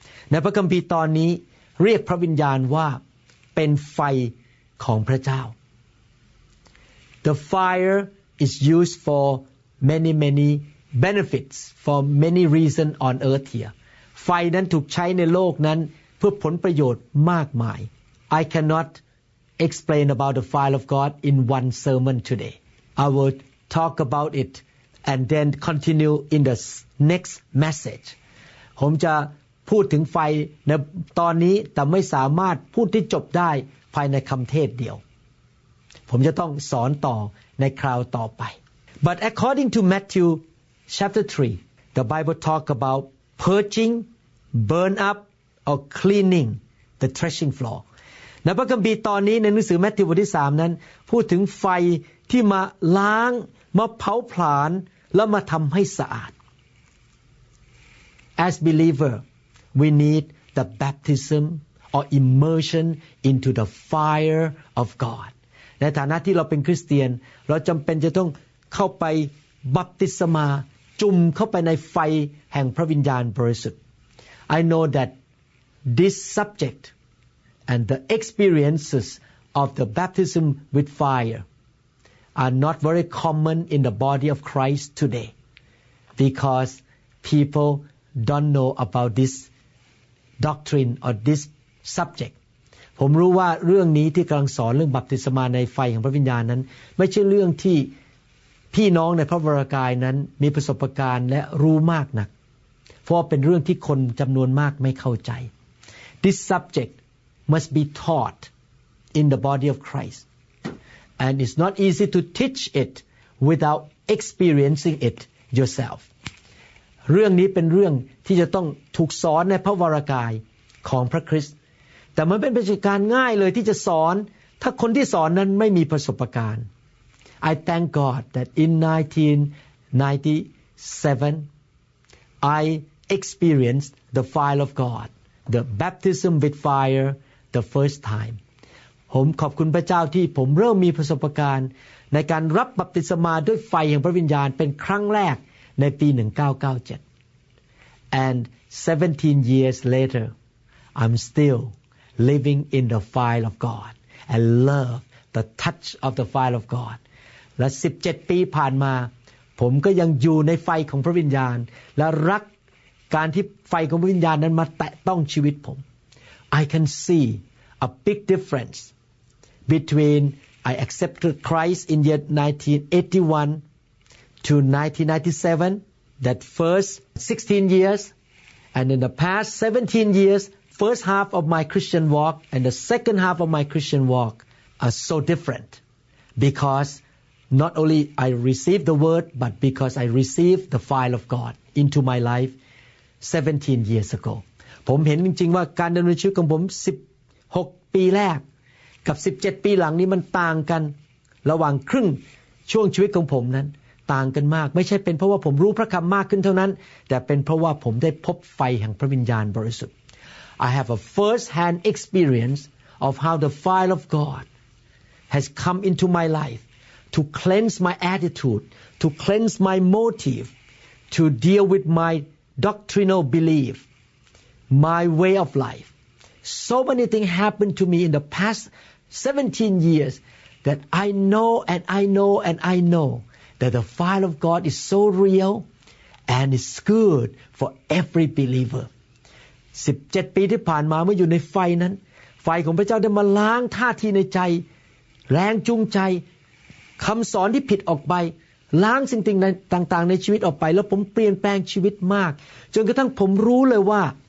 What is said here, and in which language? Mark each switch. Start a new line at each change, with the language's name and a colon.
Thai: ในพระคัมภีร์ตอนนี้เรียกพระวิญญาณว่าเป็นไฟของพระเจ้า
English: The fire is used for many benefits, for many reasons on earth here.
Thai: ไฟนั้นถูกใช้ในโลกนั้นเพื่อผลประโยชน์มากมาย
English: I cannot explain about the fire of God in one sermon today. I will talk about it and then continue in the next message.
Thai: ผมจะพูดถึงไฟในตอนนี้แต่ไม่สามารถพูดที่จบได้ภายในคำเทศเดียวผมจะต้องสอนต่อในคราวต่อไป
English: But according to Matthew chapter 3 the Bible talk about purging burn up or cleaning the threshing floor
Thai: ในพระคัมภีร์ตอนนี้ในหนังสือแมทธิวบทที่3นั้นพูดถึงไฟที่มาล้างมาเผาผลาญแล้วมาทำให้สะอาด
English: As believer we need the baptismOr immersion into the fire of God.
Thai: ในฐานะที่เราเป็นคริสเตียนเราจำเป็นจะต้องเข้าไปบัพติศมาจุ่มเข้าไปในไฟแห่งพระวิญญาณบริสุทธิ์
English: I know that this subject and the experiences of the baptism with fire are not very common in the body of Christ today because people don't know about this doctrine or thisSubject.
Thai: ผมรู้ว่าเรื่องนี้ที่กำลังสอนเรื่องบัพติศมาในไฟแห่งพระวิญญาณนั้นไม่ใช่เรื่องที่พี่น้องในพระวรกายนั้นมีประสบการณ์และรู้มากนักเพราะเป็นเรื่องที่คนจำนวนมากไม่เข้าใจ
English: This subject must be taught in the body of Christ and it's not easy to teach it without experiencing it yourself
Thai: เรื่องนี้เป็นเรื่องที่จะต้องถูกสอนในพระวรกายของพระคริสต์แต่มันเป็นประสบการณ์ง่ายเลยที่จะสอนถ้าคนที่สอนนั้นไม่มีประสบการณ์
English: I thank God that in 1997 I experienced the fire of God the baptism with fire the first time
Thai: ผมขอบคุณพระเจ้าที่ผมเริ่มมีประสบการณ์ในการรับบัพติศมาด้วยไฟแห่งพระวิญญาณเป็นครั้งแรกในปี1997
English: and 17 years later I'm stillliving in the fire of God and love the touch of the fire of God
Thai: และ17ปีผ่านมาผมก็ยังอยู่ในไฟของพระวิญญาณและรักการที่ไฟของพระวิญญาณนั้นมาแตะต้องชีวิตผม
English: I can see a big difference between I accepted Christ in year 1981 to 1997 that first 16 years and in the past 17 yearsFirst half of my Christian walk and the second half of my Christian walk are so different because not only I received the word but because I received the fire of God into my life 17 years ago.
Thai: ผมเห็นจริงๆว่าการดำเนินชีวิตของผม16ปีแรกกับ17ปีหลังนี้มันต่างกันระหว่างครึ่งช่วงชีวิตของผมนั้นต่างกันมากไม่ใช่เป็นเพราะว่าผมรู้พระคำมากขึ้นเท่านั้นแต่เป็นเพราะว่าผมได้พบไฟแห่งพระวิญญาณบริสุทธิ์
English: I have a first-hand experience of how the fire of God has come into my life to cleanse my attitude, to cleanse my motive, to deal with my doctrinal belief, my way of life. So many things happened to me in the past 17 years that I know and I know and I know that the fire of God is so real and it's good for every believer.
Thai: 17ปีที่ผ่านมาเมื่ออยู่ในไฟนั้นไฟของพระเจ้าได้มาล้างท่าทีในใจแรงจูงใจคำสอนที่ผิดออกไปล้างสิ่งต่างๆในชีวิตออกไปแล้วผมเปลี่ยนแปลงชีวิตมากจนกระทั่งผมรู้เลยว่า